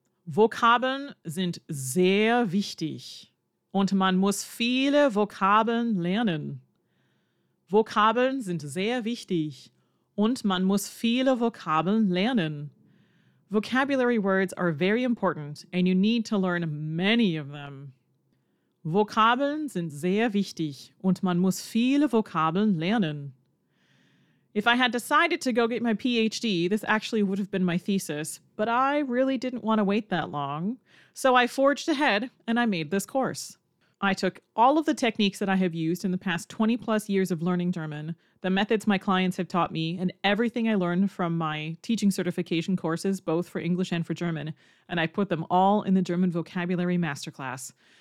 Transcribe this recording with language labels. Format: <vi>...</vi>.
<de>Vokabeln sind sehr wichtig. Und man muss viele Vokabeln lernen. Vokabeln sind sehr wichtig. Und man muss viele Vokabeln lernen.</de> <en>Vocabulary words are very important and you need to learn many of them.</en> <de>Vokabeln sind sehr wichtig und man muss viele Vokabeln lernen.</de> <en>If I had decided to go get my PhD, this actually would have been my thesis, but I really didn't want to wait that long. So I forged ahead and I made this course. I took all of the techniques that I have used in the past 20 plus years of learning German, the methods my clients have taught me, and everything I learned from my teaching certification courses, both for English and for German, and I put them all in the German Vocabulary Masterclass.</en>